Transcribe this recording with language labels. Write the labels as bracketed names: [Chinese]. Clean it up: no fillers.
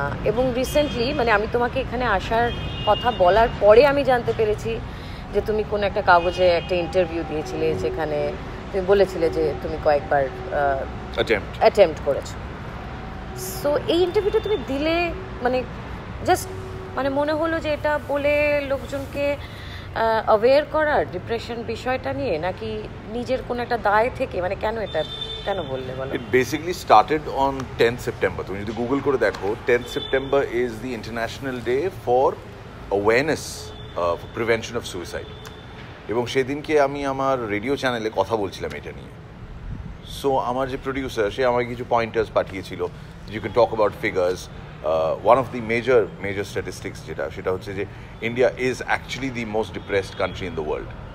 [Bangla] এবং রিসেন্টলি মানে আমি তোমাকে এখানে আসার কথা বলার পরে আমি জানতে পেরেছি যে তুমি কোন একটা কাগজে একটা ইন্টারভিউ দিয়েছিলে, যেখানে তুমি বলেছিলে যে তুমি কয়েকবার অ্যাটেম্পট করেছো। সো এই ইন্টারভিউটা তুমি দিলে মানে জাস্ট মানে মনে হলো যে এটা বলে লোকজনকে অ্যাওয়্যার করার ডিপ্রেশন বিষয়টা নিয়ে, নাকি নিজের কোনো একটা দায় থেকে, মানে কেন এটা? [English] It basically started on 10th September. [Bangla] তুমি যদি গুগল করে দেখো, [English] 10th September is the International Day for Awareness of Prevention of Suicide. [Bangla] এবং সেদিনকে আমি আমার রেডিও চ্যানেলে কথা বলছিলাম এটা নিয়ে। সো আমার যে প্রডিউসার, সে আমাকে কিছু পয়েন্টার্স পাঠিয়েছিল, [English] You can talk about figures. One of the major statistics [Bangla] যেটা, সেটা হচ্ছে যে [English] India is actually the most depressed country in the world.